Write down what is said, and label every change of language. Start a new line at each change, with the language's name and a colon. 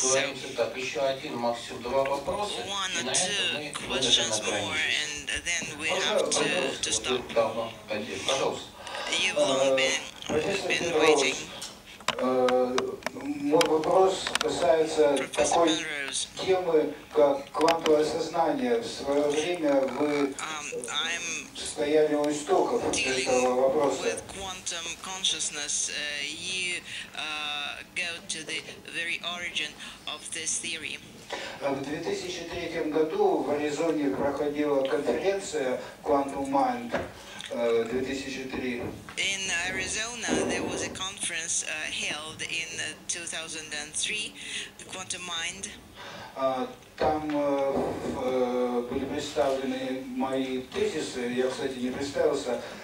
English: So, one or two questions more, and then we have to stop. You've long been waiting.
Russian: Мой вопрос касается такой темы, как квантовое сознание. В свое время вы стояли у истоков этого вопроса.
English: With quantum consciousness, you go to the very origin of this theory.
Russian: В 2003 году в Аризоне проходила конференция Quantum Mind.
English: In Arizona, there was a conference held in 2003, the Quantum Mind.
Russian: Были представлены мои тезисы. Я, кстати, не представился.